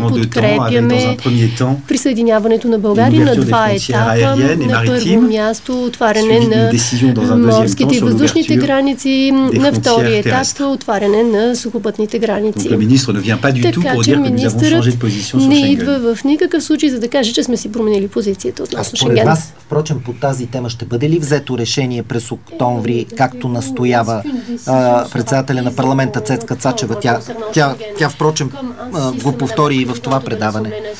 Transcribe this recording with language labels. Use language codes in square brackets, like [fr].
[bg] подкрепяме присъединяването на България на два етапа. На първо място отваряне на морските и въздушните граници, на втори етап отваряне на сухопътните граници. [fr] Donc, le ministre ne vient pas du tout pour dire que nous avons changé de position sur Schengen. [bg] В никакъв случай, за да каже, че сме си променили позицията относно Шенген. Според вас, впрочем, по тази тема ще бъде ли взето решение през октомври, както настоява председателя на парламента Цецка Цачева? Тя впрочем го повтори и в това предаване.